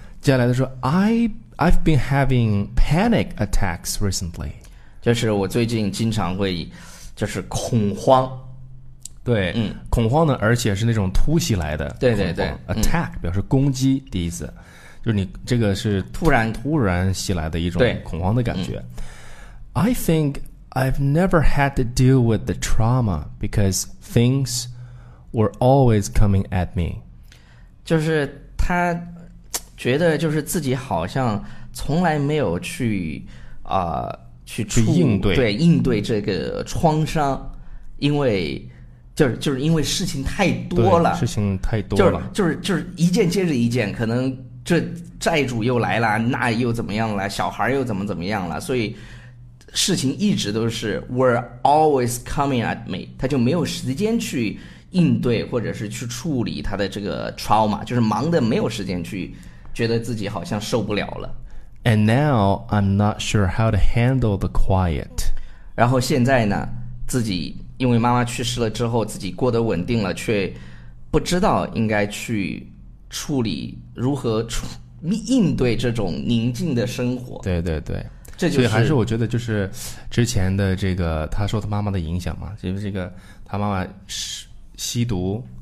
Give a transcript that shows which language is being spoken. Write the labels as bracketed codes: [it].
[zh] 接下来他说 [en] I've been having panic attacks recently. [zh] 就是我最近经常会就是恐慌。对，恐慌呢而且是那种突袭来的。对对对。 Attack 表示攻击的意思。就是你这个是突然袭来的一种恐慌的感觉。 [en] I think I've never had to deal with the trauma because things were always coming at me. [zh] 就是他觉得就是自己好像从来没有去去应对，对，应对这个创伤，因为就是因为事情太多了，事情太多了，就是一件接着一件，可能这债主又来了，那又怎么样了，小孩又怎么样了，所以事情一直都是 [en] were always coming at me, [zh] 他就没有时间去应对或者是去处理他的这个 trauma, 就是忙的没有时间去，觉得自己好像受不了了。 [en] And now I'm not sure how to handle the quiet. [zh] 然后现在呢，自己因为妈妈去世了之后，自己过得稳定了，却不知道应该去处理如何应对这种宁静的生活。对对对，这就是。所以还是我觉得就是之前的这个，他受他妈妈的影响嘛，就是这个他妈妈吸毒。